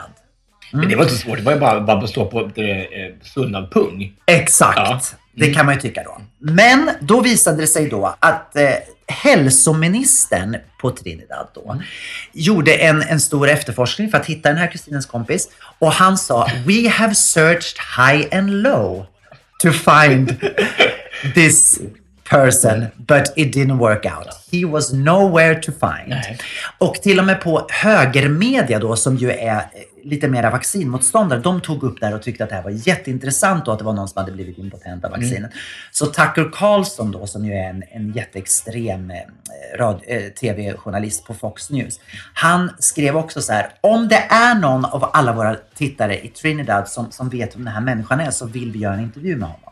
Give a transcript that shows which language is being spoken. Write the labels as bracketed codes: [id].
[sv] Mm. Men det var inte svårt, det var ju bara att stå på svullnad pung. Exakt, ja. Det kan man ju tycka då. Men då visade det sig då att hälsoministern på Trinidad då gjorde en stor efterforskning för att hitta den här kusinens kompis. Och han sa, [en] we have searched high and low to find this person, but it didn't work out. He was nowhere to find. [sv] Nej. Och till och med på högermedia då, som ju är lite mera vaccinmotståndare, de tog upp det här och tyckte att det här var jätteintressant och att det var någon som hade blivit impotent av vaccinet. Mm. Så Tucker Carlson då, som ju är en jätteextrem tv-journalist på Fox News, han skrev också så här: om det är någon av alla våra tittare i Trinidad som vet vem den här människan är, så vill vi göra en intervju med honom.